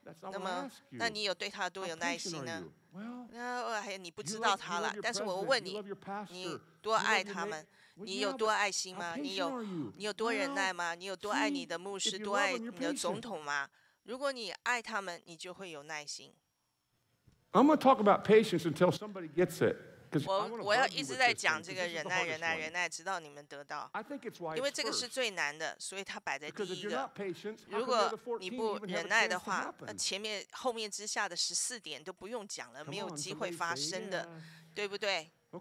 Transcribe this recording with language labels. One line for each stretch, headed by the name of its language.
Chinese: 那么，那你有对他多有耐心呢？那还你不知道他了。但是我问你，你多爱他们？你有多爱心吗？你有多忍耐吗？你有多爱你的牧师？多爱你的总统吗？如果你爱他们，你就会有耐心。
English: I'm going to talk about patience until somebody gets it.
Chinese: 我要一直在讲这个忍耐忍耐忍耐直到你们得到，因为这个是最难的，所以它摆在第一个。如果你不忍耐的话，前面后面之下的十四点都不用讲了，没有机会发生的，对不对？